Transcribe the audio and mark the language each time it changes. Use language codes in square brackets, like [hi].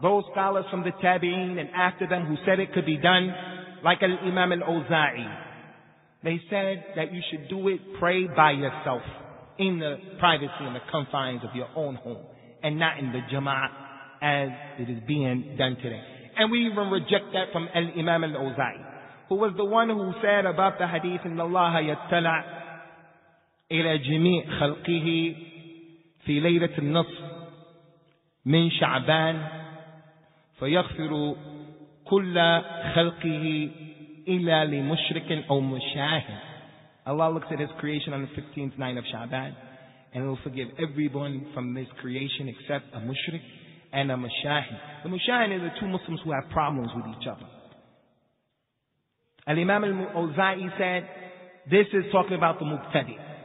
[en] Those scholars from the tabi'een and after them who said it could be done, like al-imam al-Awza'i. They said that you should do it, pray by yourself in the privacy and the confines of your own home and not in the jama'at as it is being done today. And we even reject that from Imam al-Awza'i, who was the one who said about the hadith, [ar] إِنَّ اللَّهَ يَتَّلَعْ إِلَى جِمِيعْ خَلْقِهِ فِي لَيْلَةِ النَّصْرِ مِنْ شَعْبَانِ فَيَغْفِرُ كُلَّ خَلْقِهِ إِلَى لِمُشْرِكٍ أَوْ مُشَاهِدٍ. [en] Allah looks at His creation on the 15th night of Sha'ban, and He will forgive everyone from this creation except a mushrik and a mushahid. The mushahid are the two Muslims who have problems with each other. Al-Imam al-Awza'i said, this is talking about the mubtadi.